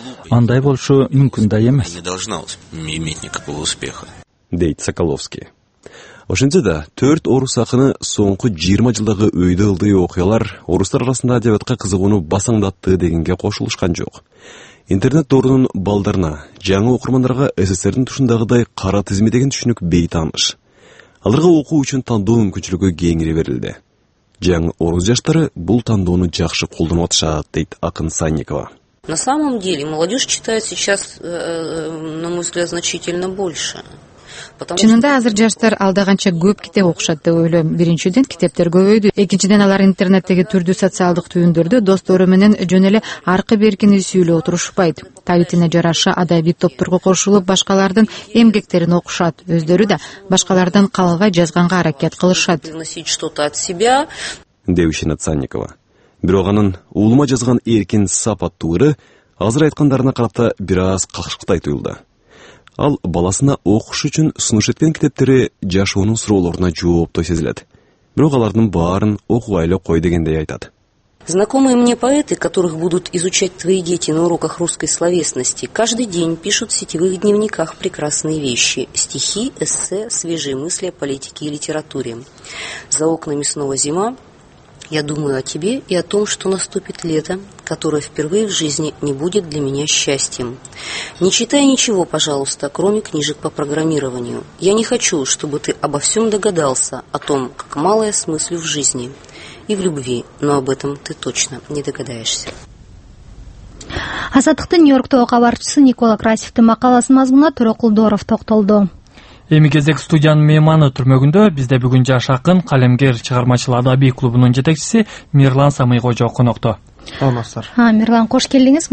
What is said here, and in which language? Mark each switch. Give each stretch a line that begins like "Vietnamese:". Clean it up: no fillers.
Kyrgyz: Андай болушу мүмкүн да эмес.
Russian: Не должна иметь никакого успеха.
Kyrgyz: Дейт Соколовский. Ошентсе да, 4 орус акыны соңку 20 жылдагы өйдө ылдый окуялар орустар арасында адебиятка кызыгууну басаңдатты дегенге кошулушкан жок. Интернет доорунун балдарына, жаңы окурмандарга СССРдин тушундагыдай кара тизми деген түшүнүк бейтааныш. Аларга окуу үчүн тандоо мүмкүнчүлүгү кеңири берилди. Жаңы орус жаштары бул тандоону жакшы колдонуп атышат, дейт акын Санникова.
Russian: На самом деле, молодежь читает сейчас, на мой взгляд, значительно больше.
Kyrgyz: Чынында азыр жаштар алдаганча көп китеп окушат деп ойлойм. Биринчиден китептер көбөйдү. Экинчиден алар интернеттеги түрдүү социалдык түйүндөрдө достору менен жөн эле аркы беркини сүйлөп отурушпайт. Табитине жараша адабий топторго кошулуп башкалардын эмгектерин окушат. Өздөрү да башкалардан калбай жазганга аракет кылышат. Девишина Цанникова. Бирок анын уулума жазган эркин сап аттуу ыры азыр айткандарына карап да бир аз кашыктай туюлду. Ал баласына окуш үчүн сунуш эткен китептери жашоонун суроолоруна жооптой сезилет. Бирок алардын баарын окубай эле кой дегендей айтат.
Russian: Знакомые мне поэты, которых будут изучать твои дети на уроках русской словесности, каждый день пишут в сетевых дневниках прекрасные вещи. Стихи, эссе, свежие мысли о политике и литературе. За окнами снова зима. Я думаю о тебе и о том, что наступит лето, которое впервые в жизни не будет для меня счастьем. Не читай ничего, пожалуйста, кроме книжек по программированию. Я не хочу, чтобы ты обо всем догадался, о том, как мало я смыслю в жизни и в любви, но об этом ты точно не догадаешься.
Kyrgyz: Азаттыктын Нью-Йоркто кабарчысы Никола Красивтин макаласынын мазмунуна Төрөкул Доров токтолду. Эми кезек студиянын мейманы түрмөгүндө бизде бүгүн жаш акын, калемгер, чыгармачыл адабий клубунун жетекчиси Мирлан Самыйгожо конокто. Саламатсыздар. Мирлан, кош келдиңиз.